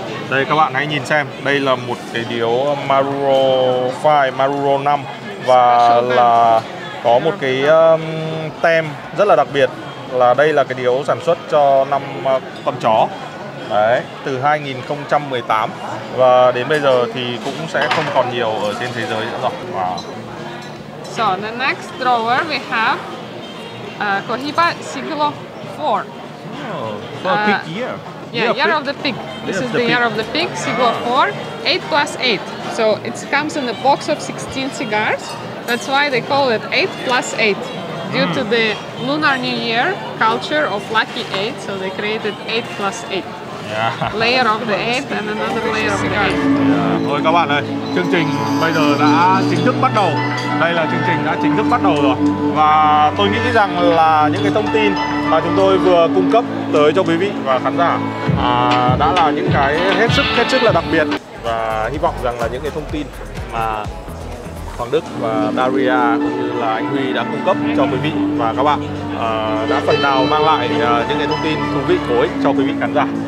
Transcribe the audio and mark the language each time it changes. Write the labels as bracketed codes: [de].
[vi] Đây các bạn hãy nhìn xem, đây là một cái điếu Maduro 5, Maduro 5 và là có một cái tem rất là đặc biệt là đây là cái điếu sản xuất cho năm con chó. Đấy, từ 2018 và đến bây giờ thì cũng sẽ không còn nhiều ở trên thế giới nữa rồi. [en] Wow. So, the next drawer we have Cohiba Siglo 4. Oh, for a pig year. Yeah, year of the pig. This is the year of the pig, Siglo 4, 8 plus 8. So, it comes in a box of 16 cigars. That's why they call it 8 plus 8. Due to the Lunar New Year culture of lucky 8, so they created 8 plus 8. Yeah. Layer of the 8 and another layer of the 8. Yeah. [vi] Thôi các bạn ơi, chương trình bây giờ đã chính thức bắt đầu. Đây là chương trình đã chính thức bắt đầu rồi. Và tôi nghĩ rằng là những cái thông tin mà chúng tôi vừa cung cấp tới cho quý vị và khán giả đã là những cái hết sức là đặc biệt. Và hy vọng rằng là những cái thông tin mà Hoàng Đức và Daria cũng như là anh Huy đã cung cấp cho quý vị và các bạn đã phần nào mang lại những cái thông tin thú vị bổ ích cho quý vị khán giả.